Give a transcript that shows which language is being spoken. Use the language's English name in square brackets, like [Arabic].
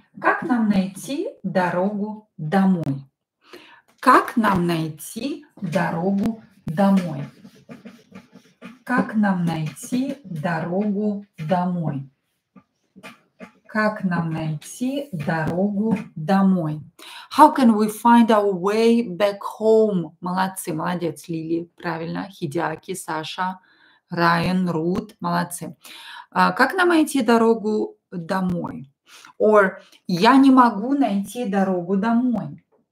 [Russian] Как нам найти дорогу домой? Как нам найти дорогу домой? Как нам найти дорогу домой? Как нам найти дорогу домой? [English] How can we find our way back home? [Russian] Молодцы, молодец, Лили, правильно, Хидяки, Саша, Райан, Рут, молодцы. Как нам найти дорогу домой? Or я не могу найти дорогу домой.